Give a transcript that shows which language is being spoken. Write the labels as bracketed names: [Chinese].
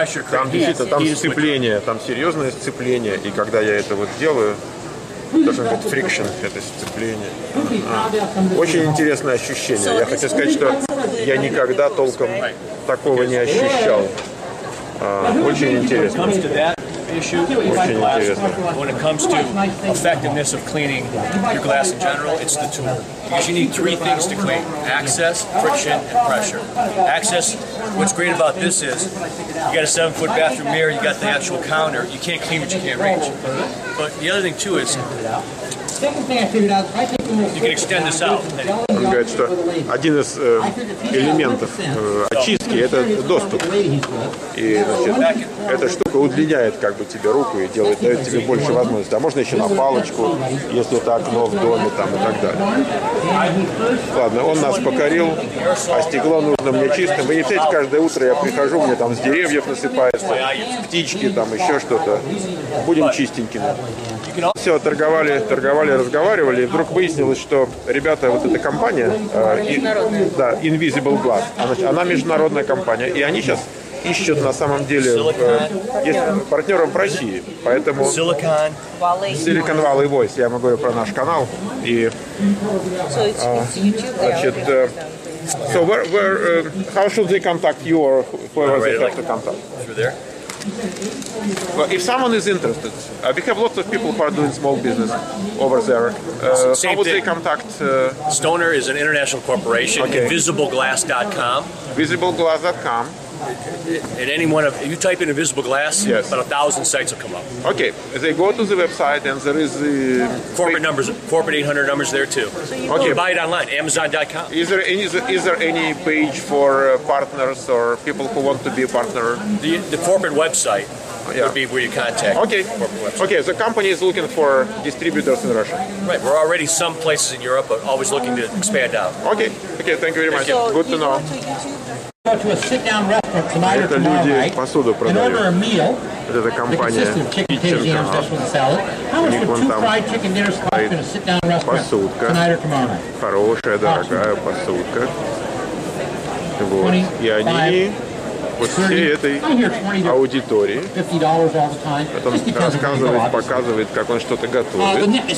[Russian] Там действительно, там сцепление, там серьезное сцепление. И когда я это вот делаю, должен быть friction, это сцепление. Очень интересное ощущение. Я хочу сказать, что я никогда толком такого не ощущал. Очень интересно. Очень интересно. [English] When it comes to effectiveness of cleaning your glass in general, it's the tool. Because you need three things to clean: access, friction, and pressure. Access. What's great about this is you got a 7-foot bathroom mirror, you got the actual counter. You can't clean what you can't reach. But the other thing too is. [Russian] Он говорит, что один из элементов очистки – это доступ. И значит, эта штука удлиняет как бы, тебе руку и делает, дает тебе больше возможностей. А можно еще на палочку, если это окно в доме там, и так далее. Ладно, он нас покорил, а стекло нужно мне чистым. Вы не знаете, каждое утро я прихожу, мне там с деревьев насыпается, птички, там еще что-то. Будем чистенькими. Все, торговали, торговали, разговаривали, и вдруг выяснилось, что ребята, вот эта компания, да, Invisible Glass, она международная компания, и они сейчас ищут на самом деле партнеров в России, поэтому Silicon Valley Voice, я вам говорю про наш канал, и, значит, [English] so where, how should they contact you, or whoever they have to contact? Well, if someone is interested, we have lots of people who are doing small business over there. How would they contact? Stoner is an international corporation. Okay. InvisibleGlass.com. InvisibleGlass.com. And any one of you type in Invisible Glass, yes, about 1,000 sites will come up. Okay, they go to the website and there is the corporate numbers, corporate 800 numbers there too. Okay, you can buy it online, Amazon.com. Is there any page for partners or people who want to be a partner? The corporate website. Yeah. Would be where you contact. Okay. Okay, the company is looking for distributors in Russia. Right, we're already some places in Europe, but always looking to expand out. Okay, okay, thank you very much. So good to know. Go to a sit-down restaurant tonight or tomorrow night and order a meal. [Russian] Это [English] the company. How much for two fried chicken dinners cost in a sit-down restaurant tonight or tomorrow night? [Russian] Хорошая, дорогая посудка. Вот. И они... Вот всей этой аудитории, потом рассказывает, показывает, как он что-то готовит.